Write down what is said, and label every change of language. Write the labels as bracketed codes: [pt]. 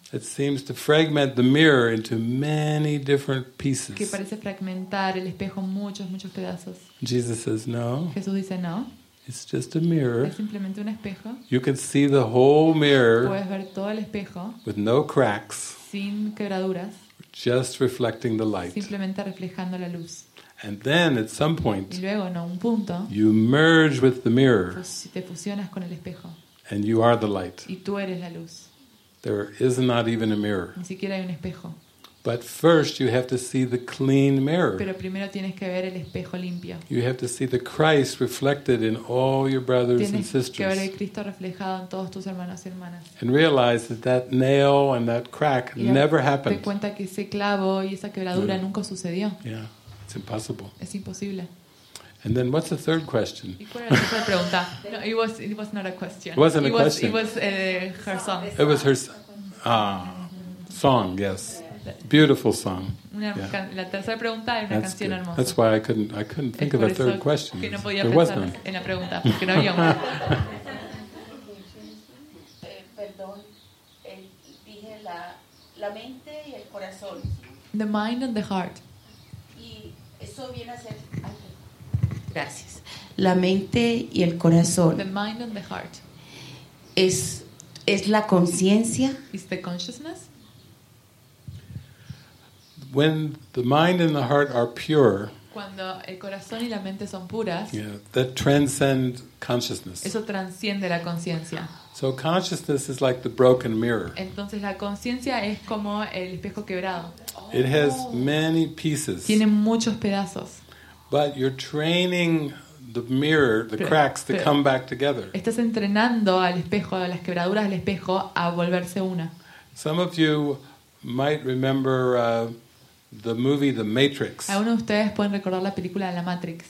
[en] It seems to fragment the mirror into many different pieces. [es] Que parece fragmentar el espejo en muchos, muchos pedazos. [en] Jesus says no. [es] Jesús dice no. [en] It's just a mirror. [es] Es simplemente un espejo. [en] You can see the whole mirror. [es] Puedes ver todo el espejo. [en] With no cracks. [es] Sin quebraduras. [en] Just reflecting the light. [es] Simplemente reflejando la luz. [en] And then at some point. [es] Y luego en un punto. [en] You merge with the mirror. [es] Te fusionas con el espejo. [en] And you are the light. [es] Y tú eres la luz. [en] There is not even a mirror. [es] Ni siquiera hay un espejo. [en] But first you have to see the clean mirror. [es] Pero primero tienes que ver el espejo limpio. [en] You have to see the Christ reflected in all your brothers and sisters. [es] Tienes que ver el Cristo reflejado en todos tus hermanos y hermanas. [en] And realize that nail and that crack never happened. [es] Y te cuenta que ese clavo y esa quebradura nunca sucedió. [en] Yeah, it's impossible. [es] Es imposible. [en] And then what's the third question? It wasn't a question. It was her song. Yes. Beautiful song. [es] La tercera pregunta es una canción hermosa. [en] That's why I couldn't think of a third question. [es] Que no podía pensar en la pregunta, porque no había una. Perdón, el lo que dijiste ahorita de la la mente y el corazón. [en] The mind and the heart. [es] Y eso viene a ser. Gracias. La mente y el corazón. [en] The mind and the heart. [es] Es la conciencia. [en] Is the consciousness. When the mind and the heart are pure. [es] Cuando el corazón y la mente son puras. [en] Yeah, that transcend consciousness. [es] Eso transciende la conciencia. [en] So consciousness is like the broken mirror. [es] Entonces la conciencia es como el espejo quebrado. [en] It has many pieces. [es] Tiene muchos pedazos. [en] But you're training the mirror, the cracks, to come back together. [es] Estás entrenando al espejo, a las quebraduras del espejo, a volverse una. [en] Some of you might remember the movie The Matrix. [es] ¿Algunos de ustedes pueden recordar la película de La Matrix?